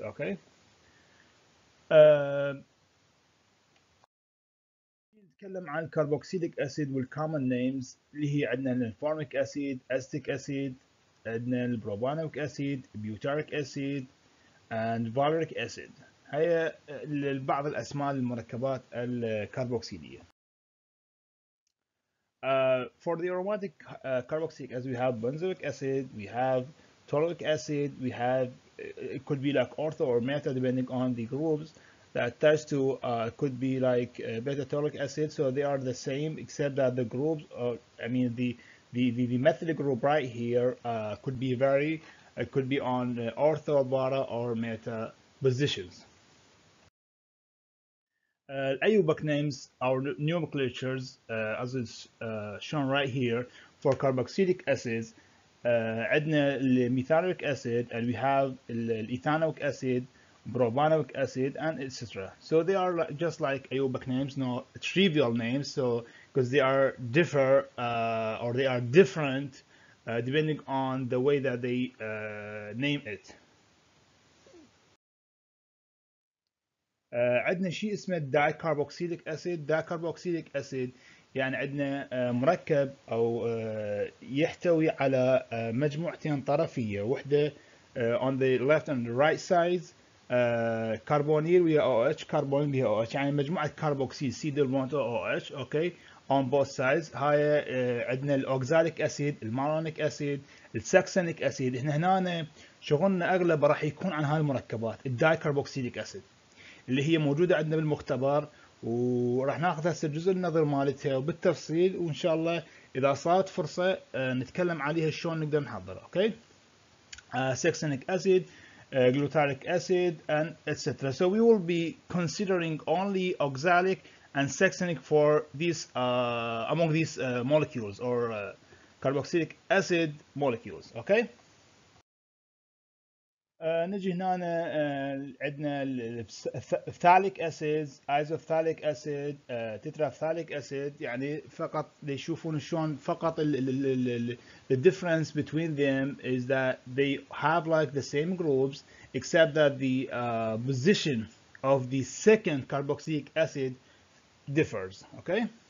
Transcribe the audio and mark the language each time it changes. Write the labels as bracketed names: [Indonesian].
[Arabic] اوكي، نتكلم عن الكربوكسيليك اسيد والكومن نيمز اللي هي عندنا الفورميك اسيد، استيك اسيد، عندنا البروبانويك اسيد، بيوتاريك اسيد، [English] and valeric [Arabic] اسيد. هي بعض الاسماء للمركبات الكربوكسيليه. [English] For the aromatic carboxylic acid, we have benzoic acid, we have toluic acid, we have it could be like ortho or meta depending on the groups that attach to, could be like beta toluic acid. So they are the same except that the groups, I mean the methyl group right here could be vary. It could be on ortho, beta, or meta positions. AUBAC names our nomenclatures as is shown right here for carboxylic acids. [Arabic] عندنا الميثانويك [English] acid, and we have الايثانويك acid, propanoic acid, and etc. So they are just like AUBAC names, no trivial names, so because they are differ or they are different depending on the way that they name it. [Arabic] عندنا شيء اسمه dicarboxylic acid. dicarboxylic acid يعني عندنا مركب او يحتوي على مجموعتين طرفيه، وحده [English] on the left and the right sides [Arabic] carbonyl via OH، carbonyl via OH، يعني مجموعه carboxyl C double bond OH، اوكي، [English] on both sides. [Arabic] هاي عندنا الاوكزاليك اسيد، المالونيك اسيد، السكسنيك اسيد. احنا هنا شغلنا اغلب راح يكون عن هاي المركبات الدايكربوكسيليك اسيد اللي هي موجودة عندنا بالمختبر، وراح ناخذ هسه الجزء النظر مالتها وبالتفصيل، وان شاء الله اذا صارت فرصة نتكلم عليها شلون نقدر نحضرها. اوكي، سكسنيك اسيد، جلوتاريك اسيد، [English] And etcetera. So we will be considering only oxalic and succinic for this among these molecules or carboxylic acid molecules. Okay. [Arabic] نجي هنا عندنا الفثاليك اسيد ايزوفثاليك اسيد تتراثاليك اسيد يعني فقط ليشوفون شلون فقط ال [English] difference between them is that they have like the same groups except that the position of the second carboxylic acid differs okay